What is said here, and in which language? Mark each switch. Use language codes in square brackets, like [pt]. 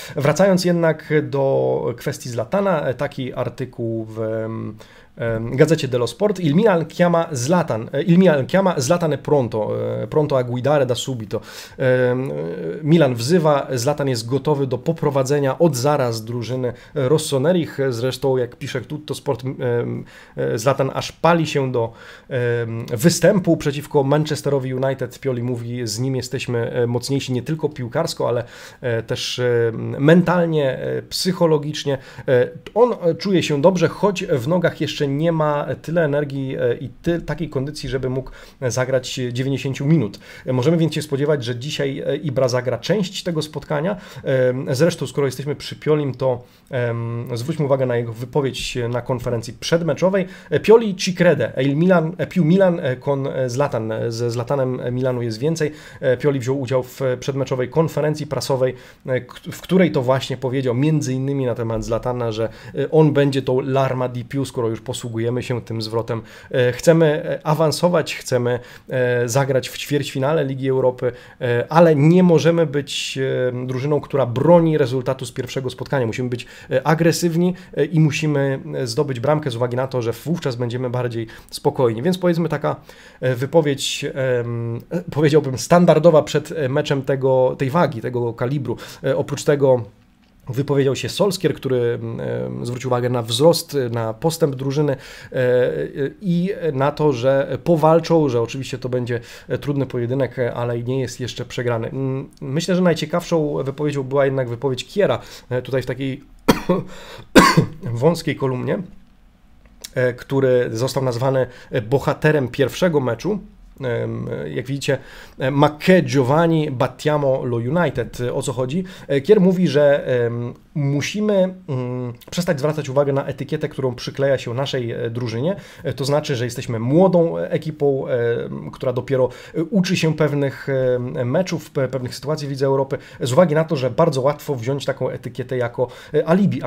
[pl] Wracając jednak do kwestii Zlatana, taki artykuł w gazecie dello Sport. [it] Il Milan chiama Zlatan pronto a guidare da subito. [pl] Milan wzywa, Zlatan jest gotowy do poprowadzenia od zaraz drużyny Rossonerich. Zresztą, jak pisze Tutto Sport, Zlatan aż pali się do występu przeciwko Manchesterowi United. Pioli mówi, z nim jesteśmy mocniejsi nie tylko piłkarsko, ale też mentalnie, psychologicznie. On czuje się dobrze, choć w nogach jeszcze nie ma tyle energii i takiej kondycji, żeby mógł zagrać 90 minut. Możemy więc się spodziewać, że dzisiaj Ibra zagra część tego spotkania. Zresztą, skoro jesteśmy przy Piolim, to zwróćmy uwagę na jego wypowiedź na konferencji przedmeczowej. [it] Pioli ci crede, più Milan con Zlatan. [pl] Ze Zlatanem Milanu jest więcej. Pioli wziął udział w przedmeczowej konferencji prasowej, w której to właśnie powiedział między innymi na temat Zlatana, że on będzie tą [it] larma di più, [pl] skoro już posługujemy się tym zwrotem. Chcemy awansować, chcemy zagrać w ćwierćfinale Ligi Europy, ale nie możemy być drużyną, która broni rezultatu z pierwszego spotkania. Musimy być agresywni i musimy zdobyć bramkę z uwagi na to, że wówczas będziemy bardziej spokojni. Więc powiedzmy taka wypowiedź, powiedziałbym standardowa przed meczem tej wagi, tego kalibru. Oprócz tego wypowiedział się Solskjaer, który zwrócił uwagę na wzrost, na postęp drużyny i na to, że powalczą, że oczywiście to będzie trudny pojedynek, ale nie jest jeszcze przegrany. Myślę, że najciekawszą wypowiedzią była jednak wypowiedź Kiera, tutaj w takiej wąskiej kolumnie, który został nazwany bohaterem pierwszego meczu. [it] Jak widzicie, ma che Giovanni battiamo lo United. [pl] O co chodzi? Kier mówi, że musimy przestać zwracać uwagę na etykietę, którą przykleja się naszej drużynie. To znaczy, że jesteśmy młodą ekipą, która dopiero uczy się pewnych meczów, pewnych sytuacji w Lidze Europy, z uwagi na to, że bardzo łatwo wziąć taką etykietę jako alibi.